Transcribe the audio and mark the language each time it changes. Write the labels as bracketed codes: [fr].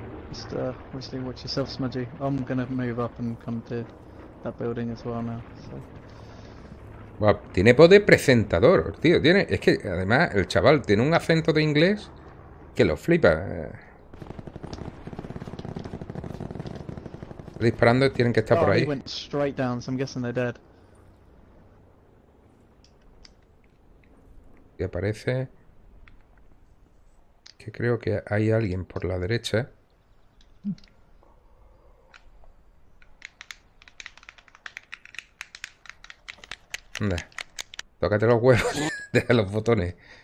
[en] Just obviously watch yourself, Smudgy. I'm gonna move up and come to that building as well now. So. [es] Wow, tiene poder presentador, tío. Tiene, es que además el chaval tiene un acento de inglés que lo flipa. Disparando, tienen que estar oh, por ahí. [en] He went straight down, so I'm guessing they're dead. [es] Y aparece que creo que hay alguien por la derecha. ¿Dónde? Tócate los huevos, deja los botones.